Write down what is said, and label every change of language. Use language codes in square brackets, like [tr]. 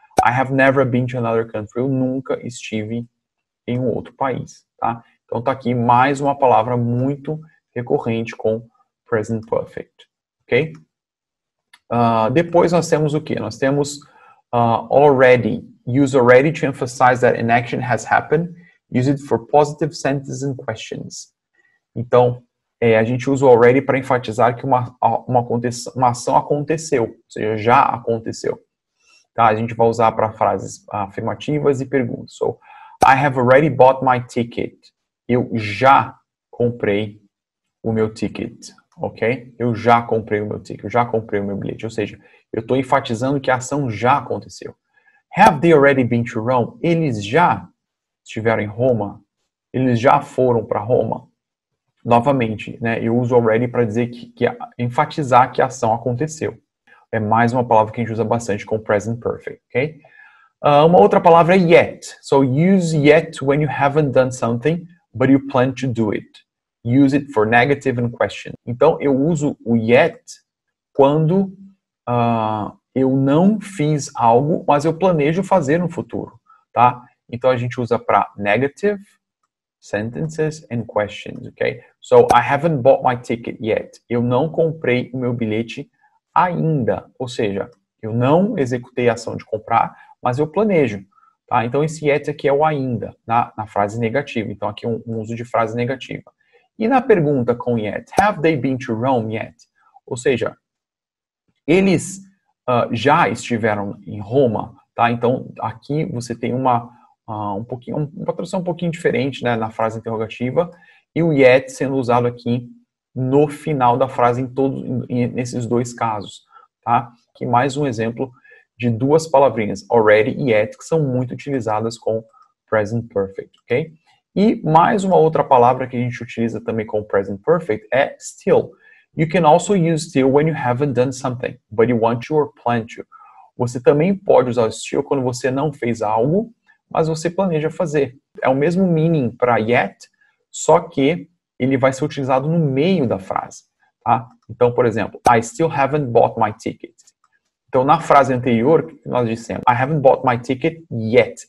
[en] I have never been to another country. [pt] Eu nunca estive em um outro país, tá? Então, tá aqui mais uma palavra muito recorrente com present perfect, ok? Depois nós temos o quê? Nós temos already. [en] Use already to emphasize that an action has happened. Use it for positive sentences and questions. [pt] Então, a gente usa o already para enfatizar que uma ação aconteceu, ou seja, já aconteceu. Tá? A gente vai usar para frases afirmativas e perguntas. [en] So, I have already bought my ticket. [pt] Eu já comprei o meu ticket. [en] Ok? [pt] Eu já comprei o meu ticket, eu já comprei o meu bilhete. Ou seja, eu estou enfatizando que a ação já aconteceu. [en] Have they already been to Rome? [pt] Eles já estiveram em Roma? Eles já foram para Roma? Novamente, né? Eu uso already para dizer que enfatizar que a ação aconteceu. É mais uma palavra que a gente usa bastante com o present perfect, ok? Uma outra palavra é yet. [en] So use yet when you haven't done something, but you plan to do it. Use it for negative and question. [pt] Então, eu uso o yet quando eu não fiz algo, mas eu planejo fazer no futuro, tá? Então, a gente usa para [en] negative sentences and questions, [pt] ok? [en] So, I haven't bought my ticket yet. [pt] Eu não comprei o meu bilhete ainda. Ou seja, eu não executei a ação de comprar, mas eu planejo, tá? Então, esse yet aqui é o ainda, na frase negativa. Então, aqui é um uso de frase negativa. E na pergunta com [en] yet, have they been to Rome yet? [pt] Ou seja, eles já estiveram em Roma, tá? Então aqui você tem uma tradução um pouquinho diferente, né, na frase interrogativa e o yet sendo usado aqui no final da frase nesses dois casos, tá? Que mais um exemplo de duas palavrinhas, already e yet, que são muito utilizadas com present perfect, ok? E mais uma outra palavra que a gente utiliza também com o present perfect é still. [en] You can also use still when you haven't done something, but you want to or plan to. [pt] Você também pode usar still quando você não fez algo, mas você planeja fazer. É o mesmo meaning para yet, só que ele vai ser utilizado no meio da frase, tá? Então, por exemplo, [en] I still haven't bought my ticket. [pt] Então, na frase anterior, nós dissemos [en] I haven't bought my ticket yet.